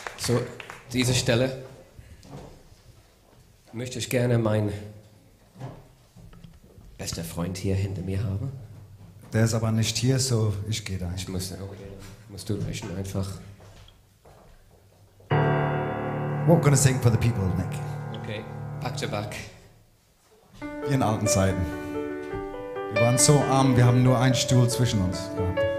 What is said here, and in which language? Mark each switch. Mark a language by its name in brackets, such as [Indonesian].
[German] So, dieser Stelle möchte ich gerne mein bester Freund hier hinter mir haben. Der ist aber nicht hier, so ich gehe da hin. Ich muss, musst du rechnen einfach. [English] We're gonna sing for the people, Nick. Okay, back to back. [German] Wie in alten Zeiten. Wir waren so arm, wir haben nur einen Stuhl zwischen uns gehabt.